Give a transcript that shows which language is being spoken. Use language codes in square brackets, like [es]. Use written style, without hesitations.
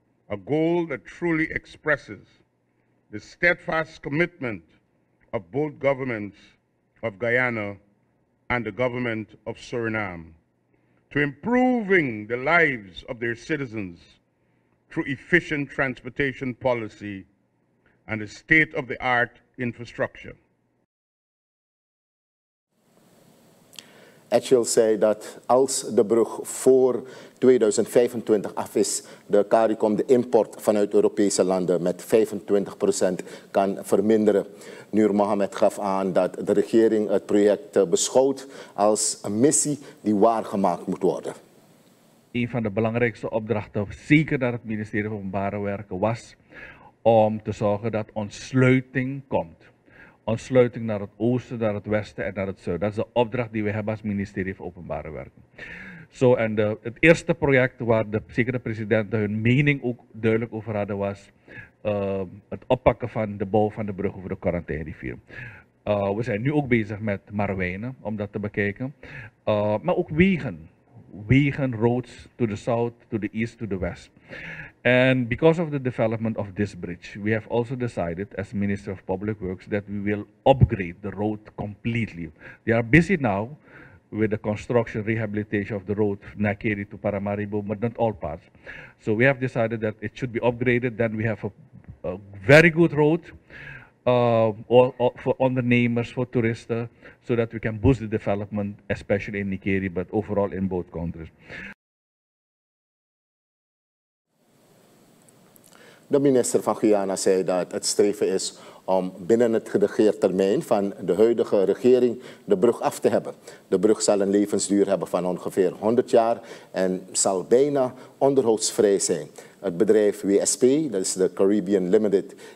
[en] A goal that truly expresses the steadfast commitment of both governments of Guyana and the government of Suriname to improving the lives of their citizens through efficient transportation policy and a state-of-the-art infrastructure. [nl] Edgehill zei dat als de brug voor 2025 af is, de CARICOM de import vanuit Europese landen met 25% kan verminderen. Nur Mohammed gaf aan dat de regering het project beschouwt als een missie die waargemaakt moet worden. Een van de belangrijkste opdrachten, zeker naar het ministerie van Openbare Werken, was om te zorgen dat ontsluiting komt. Ontsluiting naar het oosten, naar het westen en naar het zuiden. Dat is de opdracht die we hebben als ministerie van Openbare Werken. Zo, en het eerste project waar zeker de presidenten hun mening ook duidelijk over hadden was het oppakken van de bouw van de brug over de Corantijnrivier. We zijn nu ook bezig met Marwijnen, om dat te bekijken. Maar ook wegen. [en] Wegen, roads, to the south, to the east, to the west. And because of the development of this bridge, we have also decided as Minister of Public Works that we will upgrade the road completely. They are busy now with the construction, rehabilitation of the road Nakiri to Paramaribo, but not all parts. So we have decided that it should be upgraded. Then we have a very good road for entrepreneurs, for tourists, so that we can boost the development, especially in Nakiri, but overall in both countries. [nl] De minister van Guyana zei dat het streven is om binnen het geregeerde termijn van de huidige regering de brug af te hebben. De brug zal een levensduur hebben van ongeveer 100 jaar en zal bijna onderhoudsvrij zijn. Het bedrijf WSP, dat is de Caribbean Limited.